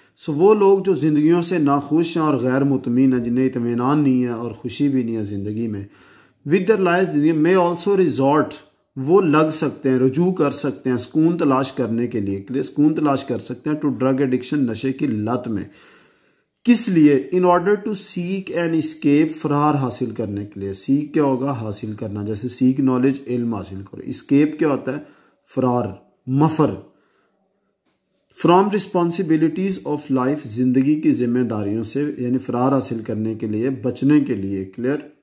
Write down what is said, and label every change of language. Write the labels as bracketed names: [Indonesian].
[Hindi] So वो लोग जो जिंदगियों से नाखुश हैं और गैर मुतमाइन हैं जिन्हें इत्मीनान नहीं है और खुशी भी नहीं है जिंदगी में [English] with their lives may also resort [Hindi] वो लग सकते हैं रुजू कर सकते हैं सुकून तलाश करने के लिए सुकून तलाश कर सकते हैं [English] to drug addiction [Hindi] नशे की लत में. किस लिए? [English] In order to seek an escape, [Hindi] फरार हासिल करने के लिए. Seek क्या होगा? हासिल करना. जैसे [English] seek knowledge, [Hindi] इल्म हासिल करो. Escape क्या होता है? फरार, muffle. [English] From responsibilities of life, [Hindi] जिंदगी की जिम्मेदारियों से, यानी फरार हासिल करने के लिए, बचने के लिए. [English] Clear?